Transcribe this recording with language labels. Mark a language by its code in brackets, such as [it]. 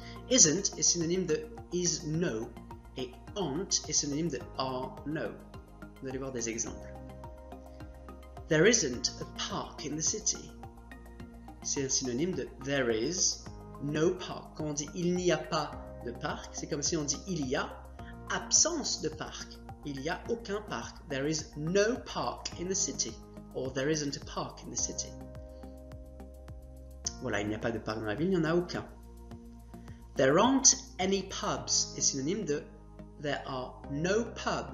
[fr] Isn't est synonyme de is no et aren't est synonyme de are no. Vous allez voir des exemples. [en] There isn't a park in the city. [fr] C'est un synonyme de [en] there is no park. [fr] Quand on dit il n'y a pas de parc, c'est comme si on dit il y a absence de parc. Il y a aucun parc. [en] There is no park in the city. Or there isn't a park in the city. [fr] Voilà, il n'y a pas de parc dans la ville, il n'y en a aucun. [en] There aren't any pubs [fr] est synonyme de [en] there are no pubs.